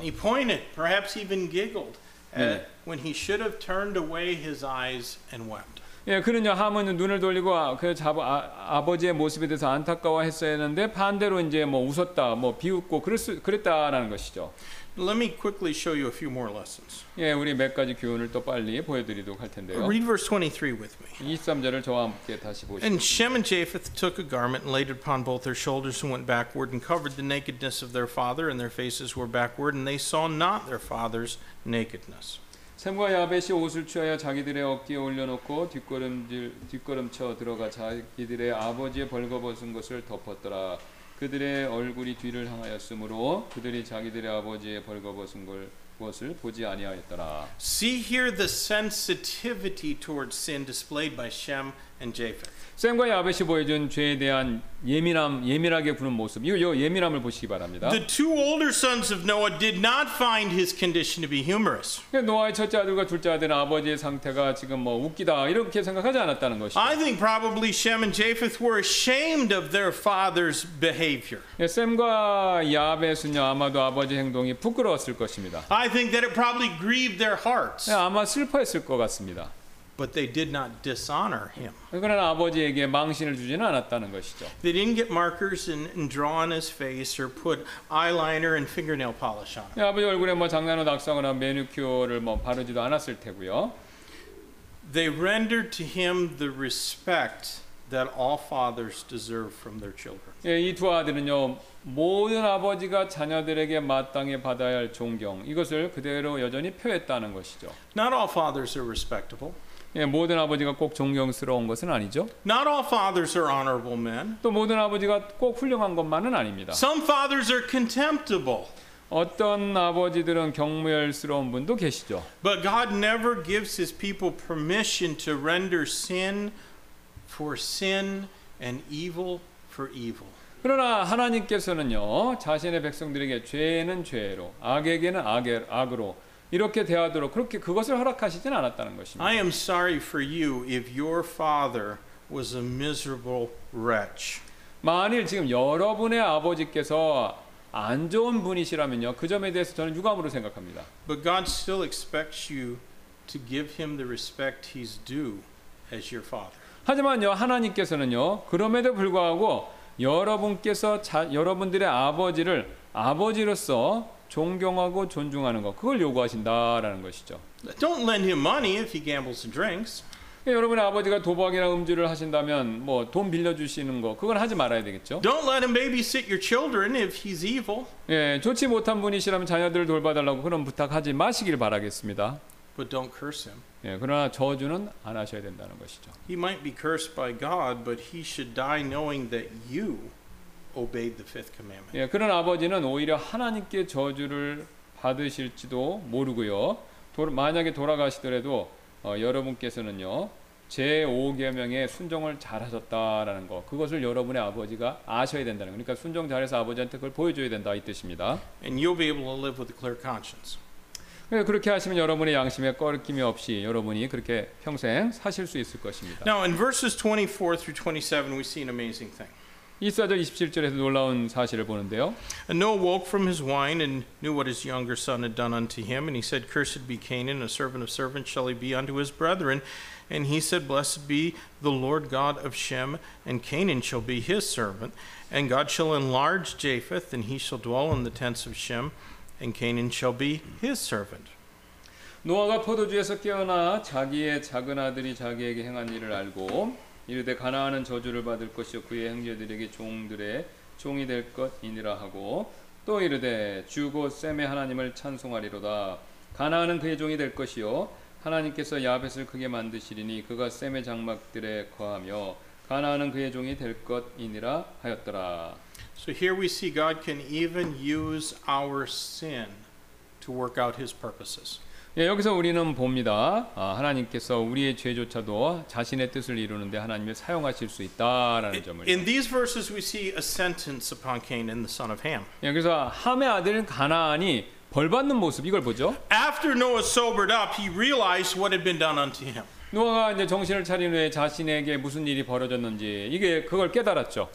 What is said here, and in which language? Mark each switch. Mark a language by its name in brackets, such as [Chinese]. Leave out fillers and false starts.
[English] He pointed, perhaps even giggled, when he should have turned away his eyes and wept. [Korean] 예, 그는요 함은 눈을 돌리고 그 아버지의 모습에 대해서 안타까워했어야 했는데 반대로 이제 뭐 웃었다, 뭐 비웃고 그랬다라는 것이죠. [English] Let me quickly show you a few more lessons. [Korean] 예, 우리 몇 가지 교훈을 또 빨리 보여드리도록 할 텐데요. [English] Read verse 23 with me. [Korean] 23절을 저와 함께 다시 보시죠. [English] And Shem and Japheth took a garment and laid it upon both their shoulders and went backward and covered the nakedness of their father and their faces were backward and they saw not their father's nakedness. [Korean] 셈과 야벳이 옷을 취하여 자기들의 어깨에 올려놓고 뒷걸음쳐 들어가 자기들의 아버지의 벌거벗은 것을 덮었더라. 그들의 얼굴이 뒤를 향하였으므로 그들이 자기들의 아버지의 벌거벗은 걸 그것을 보지 아니하였더라. [English] See here the sensitivity towards sin displayed by Shem and Japheth. [Korean] 샘과 야벳이 보여준 죄에 대한 예민함, 예민하게 구는 모습. 이거 예민함을 보시기 바랍니다. [English] The two older sons of Noah did not find his condition to be humorous. [Korean] 노아의 첫째 아들과 둘째 아들 아버지의 상태가 지금 뭐 웃기다 이렇게 생각하지 않았다는 것이죠. [English] I think probably Shem and Japheth were ashamed of their father's behavior. [Korean] 샘과 야벳은 아마도 아버지 행동이 부끄러웠을 것입니다. [English] I think that it probably grieved their hearts. [Korean] 아마 슬퍼했을 것 같습니다. [English] But they did not dishonor him. [Korean] 그는 아버지에게 망신을 주지는 않았다는 것이죠. [English] They didn't get markers and draw on his face or put eyeliner and fingernail polish on him. [Korean] 아버지 얼굴에 뭐 장난으로 악성이나 매니큐어를 뭐 바르지도 않았을 테고요. [English] They rendered to him the respect that all fathers deserve from their children. [Korean] 예, 이 두 아들은요 모든 아버지가 자녀들에게 마땅히 받아야 할 존경 이것을 그대로 여전히 표했다는 것이죠. [English] Not all fathers are respectable. [Korean] 예, 모든 아버지가 꼭 존경스러운 것은 아니죠. [English] Not all fathers are honorable men. [Korean] 또 모든 아버지가 꼭 훌륭한 것만은 아닙니다. [English] Some fathers are contemptible. [Korean] 어떤 아버지들은 경멸스러운 분도 계시죠. [English] But God never gives his people permission to render sin for sin and evil for evil. [Korean] 그러나 하나님께서는요, 자신의 백성들에게 죄는 죄로, 악에게는 악으로 이렇게 대하도록 그렇게 그것을 허락하시진 않았다는 것입니다. [English] I am sorry for you if your father was a miserable wretch. [Korean] 만일 지금 여러분의 아버지께서 안 좋은 분이시라면요, 그 점에 대해서 저는 유감으로 생각합니다. [English] But God still expects you to give him the respect he's due as your father. [Korean] 하지만요, 하나님께서는요, 그럼에도 불구하고 여러분께서 여러분들의 아버지를 아버지로서 존경하고 존중하는 것 그걸 요구하신다라는 것이죠. [English] Don't lend him money if he gambles and drinks. [Korean] 여러분의 아버지가 도박이나 음주를 하신다면 뭐 돈 빌려주시는 거 그건 하지 말아야 되겠죠. [English] Don't let him babysit your children if he's evil. [Korean] 예, 좋지 못한 분이시라면 자녀들을 돌봐달라고 그런 부탁하지 마시길 바라겠습니다. [English] But don't curse him. [Korean] 예, 그러나 저주는 안 하셔야 된다는 것이죠. [English] He might be cursed by God, but he should die knowing that you obeyed the fifth commandment. [Korean] 예, 그런 아버지는 오히려 하나님께 저주를 받으실지도 모르고요. 만약에 돌아가시더라도 여러분께서는요 제 5계명에 순종을 잘하셨다라는 거 그것을 여러분의 아버지가 아셔야 된다는 거. 그러니까 순종 잘해서 아버지한테 그걸 보여줘야 된다 이 뜻입니다. [English] And you'll be able to live with a clear conscience. [Korean] 예, 그렇게 하시면 여러분의 양심에 꺼림이 없이 여러분이 그렇게 평생 사실 수 있을 것입니다. [English] Now in verses 24 through 27 we see an amazing thing. [Korean] 24절 27절에서 놀라운 사실을 보는데요. [English] And Noah woke from his wine and knew what his younger son had done unto him, and he said, "Cursed be Canaan, a servant of servants shall he be unto his brethren." And he said, "Blessed be the Lord God of Shem, and Canaan shall be his servant, and God shall enlarge Japheth, and he shall dwell in the tents of Shem, and Canaan shall be his servant." [Korean] 노아가 포도주에서 깨어나 자기의 작은 아들이 자기에게 행한 일을 알고 이르되 가나안은 저주를 받을 것이요 그의 형제들에게 종들의 종이 될 것이니라 하고 또 이르되 주 곧 셈의 하나님을 찬송하리로다 가나안은 그의 종이 될 것이요 하나님께서 야벳을 크게 만드시리니 그가 셈의 장막들에 거하며 가나안은 그의 종이 될 것이니라 하였더라. [English] So here we see God can even use our sin to work out his purposes. [Korean] 예, 여기서 우리는 봅니다. 아, 하나님께서 우리의 죄조차도 자신의 뜻을 이루는데 하나님을 사용하실 수 있다라는 점을. [English] In these verses we see a sentence upon Canaan, the son of Ham. [Korean] 예, 그래서 함의 아들 가나안이 벌 받는 모습 이걸 보죠. [English] After Noah sobered up, he realized what had been done unto him. [Korean] 노아가 이제 정신을 차린 후에 자신에게 무슨 일이 벌어졌는지 이게 그걸 깨달았죠.